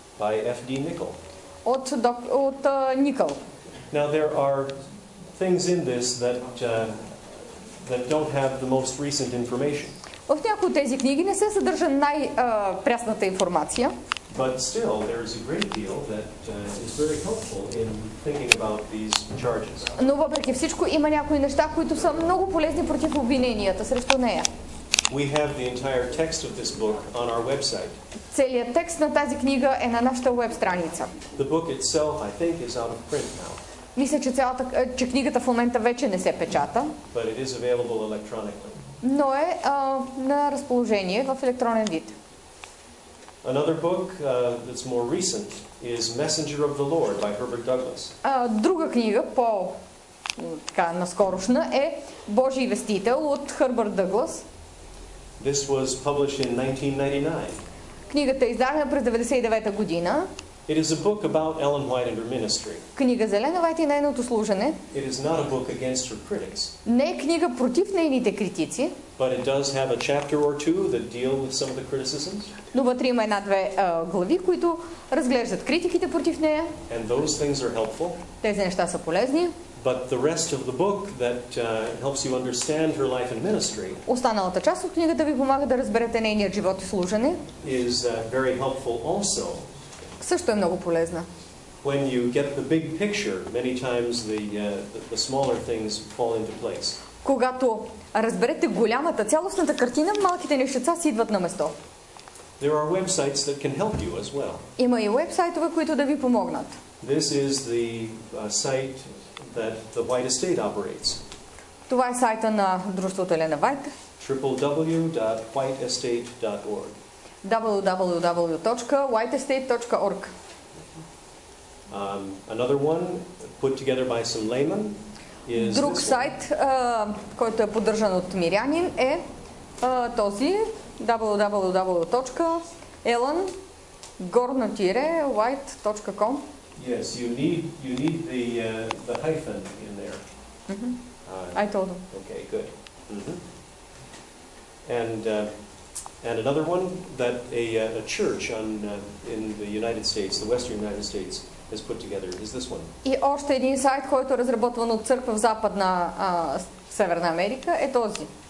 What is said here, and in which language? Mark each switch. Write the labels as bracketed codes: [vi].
[en] By F. D. Nickel. [bg] От Никол. [en] Now there are things in this that don't have the most recent information. [bg] В някои от тези книги не се съдържа най-прясната информация. [en] But still there is a great deal that is very helpful in thinking about these charges. [bg] Но въпреки всичко има някои неща, които са много полезни против обвиненията срещу нея. [en] We have the entire text of this book on our website. [bg] Целият текст на тази книга е на нашата веб страница. [en] The book itself, I think, is out of print now. [bg] Мисля, че книгата в момента вече не се печата. [en] But it is available electronically. [bg] Но е на разположение в електронен вид. [en] Another book that's more recent is Messenger of the Lord by Herbert Douglas. [bg] Друга книга, по така наскорошна, е Божий вестител от Хърбърт Дъглас. [en] This was published in 1999. [bg] Книгата е издадена през 99-та година. [en] It is a book about Ellen White and her ministry. [bg] Книга за Елена Вайт и нейното служене. [en] It is not a book against her critics. [bg] Не е книга против нейните критици. [en] But it does have a chapter or two that deal with some of the criticisms. [bg] Но вътре има една-две глави, които разглеждат критиките против нея. [en] And those things are helpful. [bg] Тези неща са полезни. [en] But the rest of the book that helps you understand her life and ministry. [bg] Останалата част от книгата ви помага да разберете нейния живот и служене. [en] Is very helpful also. [bg] Също е много полезна. [en] When you get the big picture, many times the smaller things fall into place. [bg] Когато разберете голямата цялостната картина, малките нещица си идват на место. [en] There are websites that can help you as well. [bg] Има и уебсайтове, които да ви помогнат. [en] This is the site that the White Estate operates. [bg] Това е сайта на дружеството Елена Вайт. [en] www.whiteestate.org. [bg] www.whiteestate.org. [en] Another one put together by some laymen. [bg] Друг сайт, който е поддържан от Мирянин, е този www.ellen-white.com. [en] Yes, you need the hyphen in there. Mm-hmm. I told him. Okay, good. Mm-hmm. And another one that a church in the United States, the Western United States, has put together is this one. [bg] И още един сайт, който е разработван от църква в Западна Северна Америка, е този.